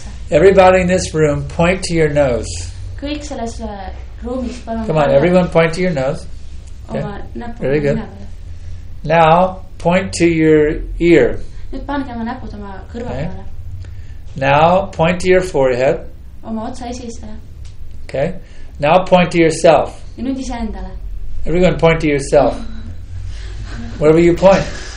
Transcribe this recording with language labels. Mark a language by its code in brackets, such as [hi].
[en] Everybody in this room, point to your nose. Come on, everyone point to your nose. Okay. Very good. Now, point to your ear. [et] Nüüd pange oma näpud oma kõrva peale. [en] Now point to your forehead. [et] Oma otsa esistele. [en] Okay. Now point to yourself. [et] Ja nüüd ise endale. [en] Everyone point to yourself. Wherever you point.